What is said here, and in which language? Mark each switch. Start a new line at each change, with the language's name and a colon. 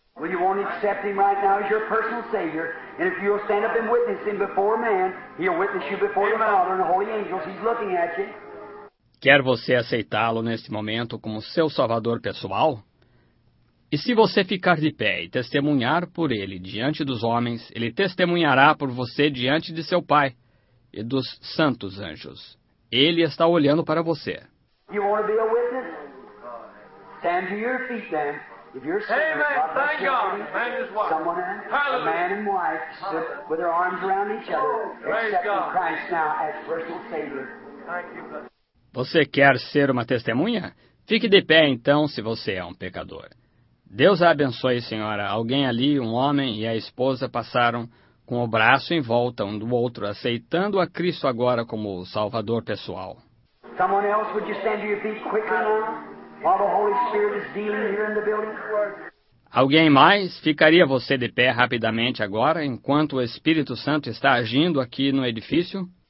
English: Well, you won't accept him right now as your personal Savior, and if you'll stand up and witness him before man, he'll witness you before the Father and the holy angels. He's looking at you.
Portuguese: Quer você aceitá-lo neste momento como seu salvador pessoal? E se você ficar de pé e testemunhar por ele diante dos homens, ele testemunhará por você diante de seu Pai e dos santos anjos. Ele está olhando para você.
English: You want to be a witness? Stand to your feet then. If you're saved, amen. Thank God. Man is what? Someone, hallelujah. A man and wife with their arms around each other, accepting Christ now as personal Savior. Thank you, God.
Portuguese: Você quer ser uma testemunha? Fique de pé, então, se você é um pecador. Deus a abençoe, senhora. Alguém ali, um homem e a esposa, passaram com o braço em volta um do outro, aceitando a Cristo agora como Salvador pessoal.
English: Someone else, would you stand to your feet quickly now, while the Holy Spirit is dealing here in the building?
Portuguese: Alguém mais? Ficaria você de pé rapidamente agora, enquanto o Espírito Santo está agindo aqui no edifício?